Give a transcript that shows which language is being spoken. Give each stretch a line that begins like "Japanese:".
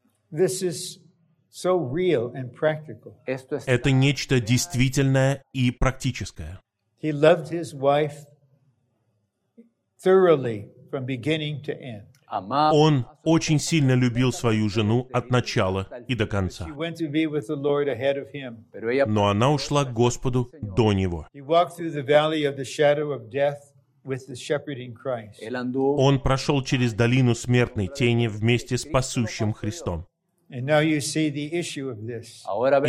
English: So real and practical.
Russian: Это нечто действительное и практическое.
English: He loved his wife thoroughly from beginning to end.
Russian: Он очень сильно любил свою жену от начала и до конца.
English: She went to be with the Lord ahead of him.
Russian: Но она ушла к Господу до него.
English: He walked through the valley of the shadow of death with the shepherd in Christ.
Russian: Он прошел через долину смертной тени вместе с пасущим Христом.
English: And now you see the issue of this.